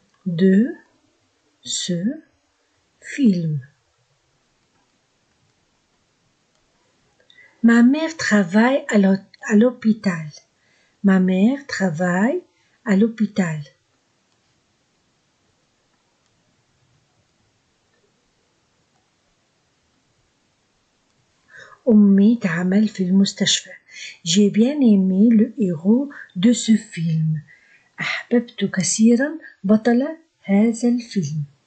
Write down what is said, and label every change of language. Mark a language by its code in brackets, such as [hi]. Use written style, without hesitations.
[fr] de ce film. Ma mère travaille à l'hôpital. Ma mère travaille à l'hôpital. [ar] أمي تعمل في المستشفى. [fr] J'ai bien aimé le héros de ce film. [ar] أحببت كثيرا بطل هذا الفيلم.